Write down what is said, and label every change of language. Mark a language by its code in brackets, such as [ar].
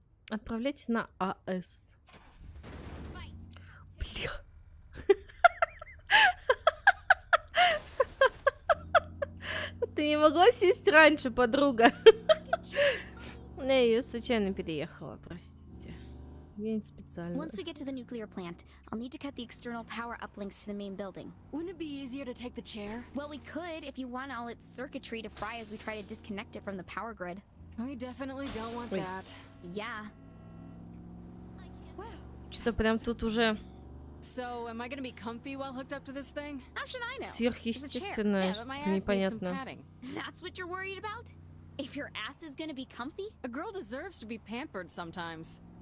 [ru] Отправлять на АС. Бля. Ты не могла сесть раньше, подруга. Я ее случайно переехала, простите. Я не специально. [en] Once we get to the nuclear plant, I'll need to cut the external power uplinks to the main building. Wouldn't it be easier to take the chair? Well, we could if you want all its circuitry to fry as we try to disconnect it from the power grid. We definitely don't want that. Yeah. [ru] Что-то прям тут уже. [en] So, am I gonna be comfy while hooked up to this thing? How should I know? [ru] Сверхъестественное, что-то непонятно. [en] That's what you're worried about? If your ass is gonna be comfy? A girl deserves to be pampered sometimes.